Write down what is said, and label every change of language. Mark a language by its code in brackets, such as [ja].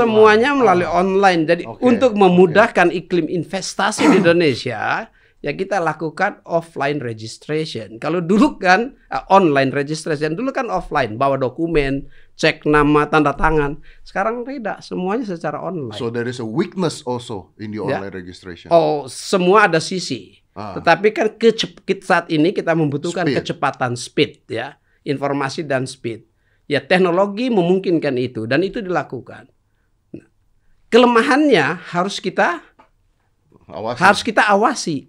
[id] Semuanya melalui online. Jadi untuk memudahkan iklim investasi di Indonesia, ya kita lakukan offline registration. Kalau dulu kan online registration, dulu kan offline. Bawa dokumen, cek nama, tanda tangan. Sekarang tidak, semuanya secara online. [en] So there is a weakness also in the online registration. [id] Oh, semua ada sisi. Tetapi kan saat ini kita membutuhkan kecepatan speed ya, informasi dan speed. Ya, teknologi memungkinkan itu dan itu dilakukan. Kelemahannya harus kita awasi.